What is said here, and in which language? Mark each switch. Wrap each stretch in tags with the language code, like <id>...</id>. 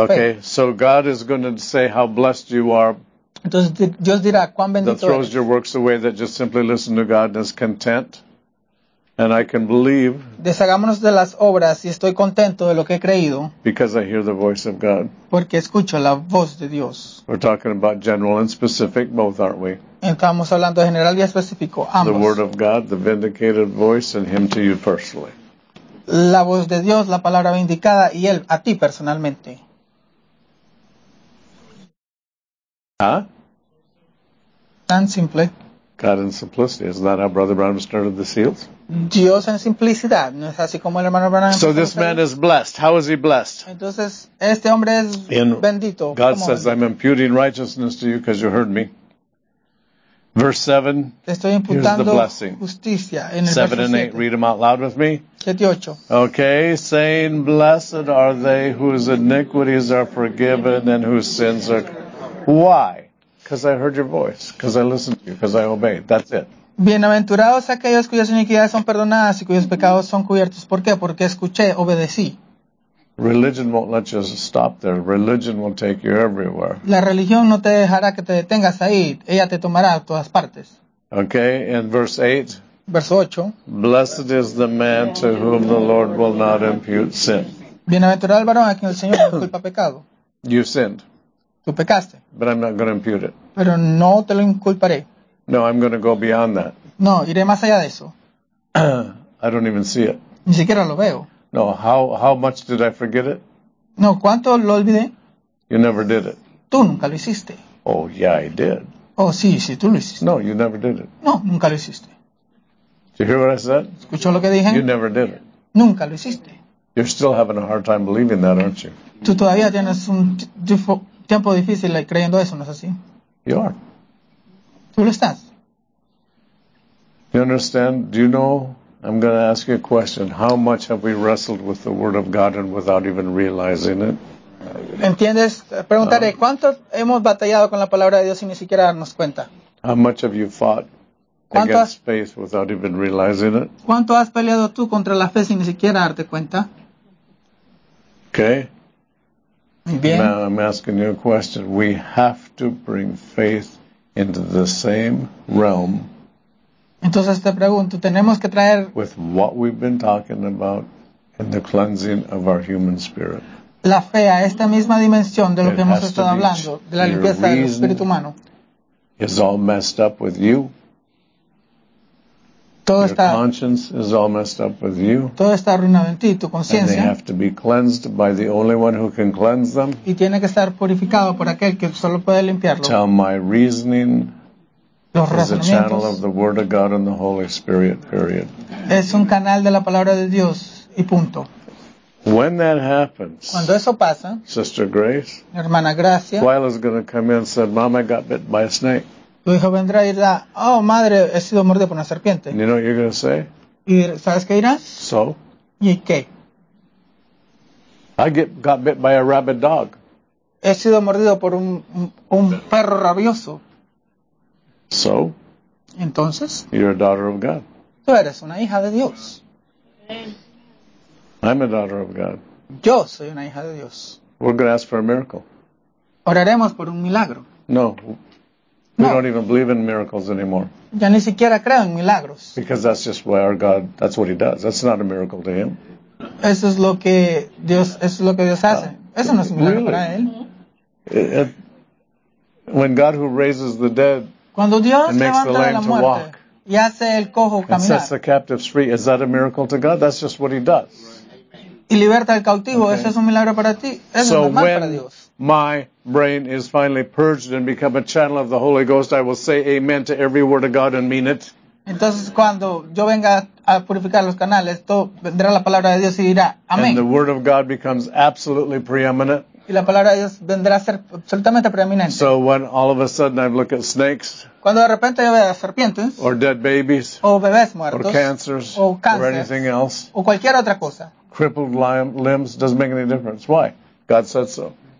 <en>Okay, so God is going to say how blessed you are.</en> <es>Entonces Dios dirá cuán bendito</es> <en>that throws</en> <es>eres.</es> <en>Your works away, that just simply listen to God and is content. And I can believe.</en> <es>Deshagámonos de las obras y estoy contento de lo que he creído.</es> <en>Because I hear the voice of God.</en> <es>Porque escucho la voz de Dios.</es> <en>We're talking about general and specific, both, aren't we?</en> <es>Estamos hablando de general y específico, ambos.</es> <en>The word of God, the vindicated voice, and him to you personally.</en> <es>La voz de Dios, la palabra vindicada, y él a ti personalmente. Huh? Tan simple.</es> <en>God in simplicity. Isn't that how Brother Branham started the seals?</en> <es>Dios en simplicidad. ¿No es así como el hermano Branham?</es> <en>So this man is blessed. How is he blessed?</en> <es>Entonces, este hombre es</es> <en>in</en> <es>bendito.</es> <en>God says, bendito? I'm imputing righteousness to you because you heard me. Verse 7.</en> <es>Estoy imputando justicia en el</es> <en>7 and 8. Read them out loud with me.</en> <es>7 y 8.</es> <en>Okay. Saying, blessed are they whose iniquities are forgiven and whose sins are... Why? Because I heard your voice, because I listened to you, because I obeyed. That's it.</en> <es>Bienaventurados aquellos cuyas iniquidades son perdonadas y cuyos pecados son cubiertos. ¿Por qué? Porque escuché, obedecí.</es> <en>Religion won't let you stop there. Religion will take you everywhere.</en> <es>La religión no te dejará que te detengas ahí. Ella te tomará a todas partes.</es> <en>Okay, in verse 8.</en> <es>Verso 8.</es> <en>Blessed is the man to whom the Lord will not impute sin.</en> <es>Bienaventurado el varón a quien el Señor no culpa pecado.</es> <en>You sinned.</en> <es>Tú pecaste.</es> <en>But I'm not going to impute it.</en> <es>Pero no te lo inculparé.</es> <en>No, I'm going to go beyond that.</en> <es>No, iré más allá de eso.</es> <en>I don't even see it.</en> <es>Ni siquiera lo veo.</es> <en>No, how much did I forget it?</en> <es>No, ¿cuánto lo olvidé?</es> <en>You never did it.</en> <es>Tú nunca lo hiciste.</es> <en>Oh, yeah, I did.</en> <es>Oh, sí, sí, tú lo hiciste.</es> <en>No, you never did it.</en> <es>No, nunca lo hiciste.</es> <en>Did you hear what I said?</en> <es>¿Escuchó lo que dije?</es> <en>You never did it.</en> <es>Nunca lo hiciste.</es> <en>You're still having a hard time believing that, aren't you?</en> <es>Tú todavía tienes un tiempo difícil creyendo eso, ¿no es así?</es> <en>You are.</en> <es>¿Tú lo estás?</es> <en>You understand? Do you know? I'm going to ask you a question. How much have we wrestled with the Word of God and without even realizing it?</en> <es>¿Entiendes? Preguntaré, ¿cuánto hemos batallado con la Palabra de Dios y ni siquiera darnos cuenta?</es> <en>How much have you fought against faith without even realizing it?</en> <es>¿Cuánto has peleado tú contra la fe sin ni siquiera darte cuenta?</es> <en>Okay.</en> <es>Bien.</es> <en>Now I'm asking you a question. We have to bring faith into the same realm.</en> <es>Entonces te pregunto, tenemos que traer</es> <en>with what we've been talking about in the cleansing of our human spirit.</en> <es>La fe a esta misma dimensión de lo que hemos estado hablando, de la limpieza del espíritu humano.</es> <en>Is all messed up with you.</en> <es>Todo</es> <en>your</en> <es>está,</es> <en>conscience is all messed up with you.</en> <es>Todo está arruinado en ti, tu conciencia.</es> <en>And they have to be cleansed by the only one who can cleanse them.</en> <es>Y tiene que estar purificado por aquel que solo puede limpiarlo.</es> <en>Tell my reasoning is a channel of the Word of God and the Holy Spirit, period.</en> <es>Es un canal de la palabra de Dios, y punto.</es> <en>When that happens,</en> <es>cuando eso pasa,</es> <en>Sister Grace,</en> <es>hermana Gracia,</es> <en>Twyla's going to come in and say, Mom, I got bit by a snake.</en> <es>Tu hijo vendrá y dirá, oh, madre, he sido mordido por una serpiente.</es> <en>You know what you're going to say?</en> <es>¿Y sabes qué dirás?</es> <en>So?</en> <es>¿Y qué?</es> <en>I got bit by a rabid dog.</en> <es>He sido mordido por un perro rabioso.</es> <en>So?</en> <es>Entonces?</es> <en>You're a daughter of God.</en> <es>Tú eres una hija de Dios.</es> <en>I'm a daughter of God.</en> <es>Yo soy una hija de Dios.</es> <en>We're going to ask for a miracle.</en> <es>Oraremos por un milagro.</es> <en>No. We don't even believe in miracles anymore.</en> <es>Ya ni siquiera creo en milagros.</es> <en>Because that's just why our God, that's what he does. That's not a miracle to him.</en> <es>Eso es lo que Dios, eso es lo que Dios hace. Eso no es un milagro para él.</es> <en>When God who raises the dead</en> <es>cuando Dios</es> <en>and makes the lame to walk</en> <es>y hace el cojo caminar</es> <en>and sets the captives free, is that a miracle to God? That's just what he does.</en> <es>Y liberta al cautivo, okay. Eso es un milagro para ti. Eso</es> <en>so</en> <es>es normal para Dios.</es> <en>My brain is finally purged and become a channel of the Holy Ghost. I will say amen to every word of God and mean it.</en> <es>Entonces cuando yo venga a purificar los canales, todo vendrá la palabra de Dios y dirá amén.</es> <en>And the word of God becomes absolutely preeminent.</en> <es>Y la palabra de Dios vendrá a ser absolutamente preeminente.</es> <en>So when all of a sudden I look at snakes,</en> <es>cuando de repente yo veo serpientes,</es> <en>or dead babies,</en> <es>o bebés muertos,</es> <en>or cancers,</en> <es>o cáncer,</es> <en>or anything else,</en> <es>o cualquier otra cosa,</es> <en>crippled limbs, doesn't make any difference. Why? God said so.</en>